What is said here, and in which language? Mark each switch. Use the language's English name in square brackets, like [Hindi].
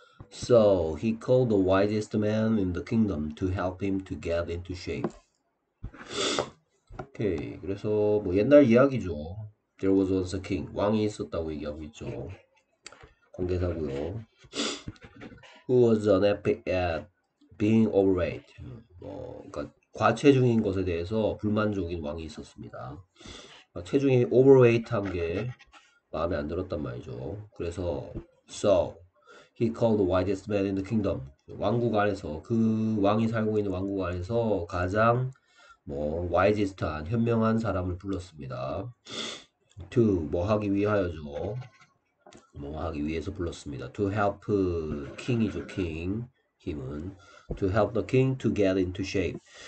[English] So he called the wisest man in the kingdom to help him to get into shape. Okay. [Korean] 그래서 뭐 옛날 이야기죠. [English] There was once a king. [Korean] 왕이 있었다고 얘기하고 있죠. 관계사고요. [English] Who was unhappy at being overweight? [Korean] 그러니까 과체중인 것에 대해서 불만족인 왕이 있었습니다. 체중이 overweight한 게 마음에 안 들었단 말이죠. 그래서 [English] so he called the wisest man in the kingdom. [Korean] 왕국 안에서 그 왕이 살고 있는 왕국 안에서 가장 뭐 wisest한 현명한 사람을 불렀습니다. To 뭐 하기 위하여죠. 뭐 하기 위해서 불렀습니다. [English] To help king이죠. King [Korean] 힘은 [English] to help the king to get into shape.